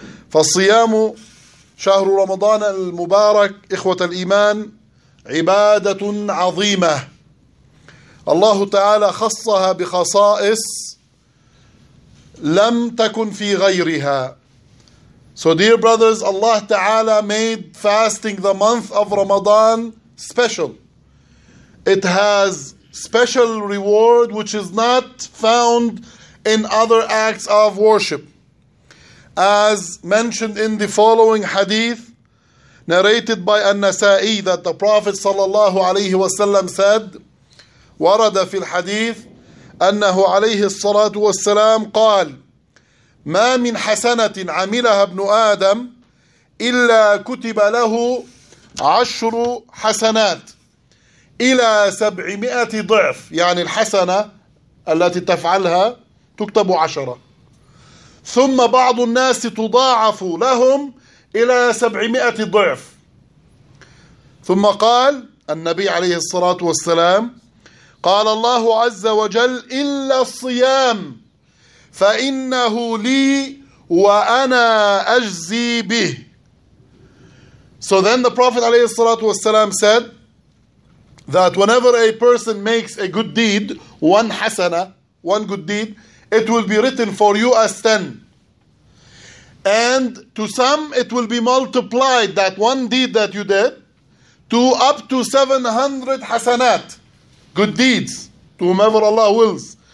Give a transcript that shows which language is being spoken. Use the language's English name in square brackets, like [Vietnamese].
[Arabic] فالصيام شهر رمضان المبارك إخوة الإيمان عبادة عظيمة، الله تعالى خصها بخصائص لم تكن في غيرها. [English] So dear brothers, Allah Ta'ala made fasting the month of Ramadan special. It has special reward which is not found in other acts of worship. As mentioned in the following hadith, narrated by An-Nasa'i, that the Prophet sallallahu alayhi wa sallam said, [Arabic] ورد في الحديث أنه عليه الصلاة والسلام قال: ما من حسنة عملها ابن آدم إلا كتب له 10 حسنات إلى 700 ضعف، يعني الحسنة التي تفعلها تكتب 10، ثم بعض الناس تضاعف لهم إلى 700 ضعف. ثم قال النبي عليه الصلاة والسلام: قال الله عز وجل: إلا الصيام فإنه لي وأنا أجزي به. [English] So then the Prophet [Arabic] عليه الصلاة والسلام [English] said that whenever a person makes a good deed, one good deed, it will be written for you as 10. And to some it will be multiplied, that one deed that you did, to up to 700 hasanat, good deeds, to whomever Allah wills.